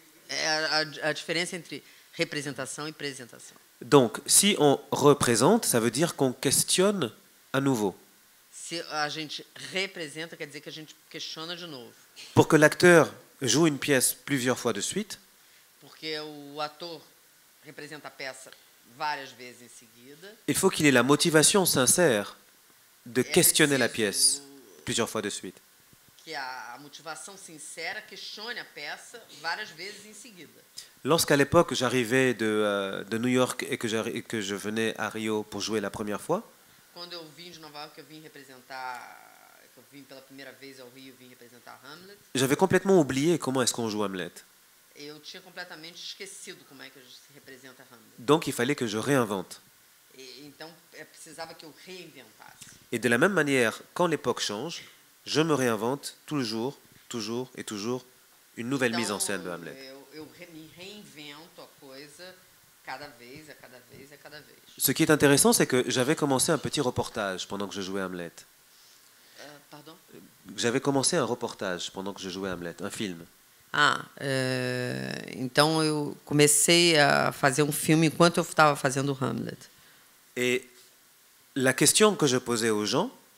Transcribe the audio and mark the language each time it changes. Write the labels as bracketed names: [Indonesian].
[French] La différence entre représentation et présentation. Donc, si on représente, ça veut dire qu'on questionne à nouveau. [Portuguese] Si a gente representa, quer dizer que a gente questiona de novo. [French] Pour que l'acteur joue une pièce plusieurs fois de suite. [Portuguese] Porque o ator representa a peça várias vezes em seguida. [French] Il faut qu'il ait la motivation sincère de questionner la pièce plusieurs fois de suite. [Portuguese] Que a motivação sincera questione a peça várias vezes em seguida. [French] Lorsqu'à l'époque j'arrivais de New York et que je venais à Rio pour jouer la première fois. [Portuguese] Quando eu vim de Nova York, eu vim representar, que eu vim pela primeira vez ao Rio, vim representar Hamlet. [French] J'avais complètement oublié comment est-ce qu'on joue Hamlet. [Portuguese] Eu tinha completamente esquecido como é que se representa Hamlet. [French] Donc il fallait que je réinvente. [Portuguese] Então eu precisava que eu reinventasse. [French] Et de la même manière, quand l'époque change, je me réinvente toujours, toujours et toujours une nouvelle [Portuguese] então, [French] mise en scène de Hamlet. [Portuguese] Eu me reinvento a coisa cada vez, a cada vez, a cada vez. [French] Ce qui est intéressant, c'est que j'avais commencé un petit reportage pendant que je jouais Hamlet. Pardon? J'avais commencé un reportage pendant que je jouais Hamlet, un film. [Portuguese] Ah, então eu comecei a fazer um filme enquanto eu estava fazendo Hamlet. E a questão que eu posei aos gens,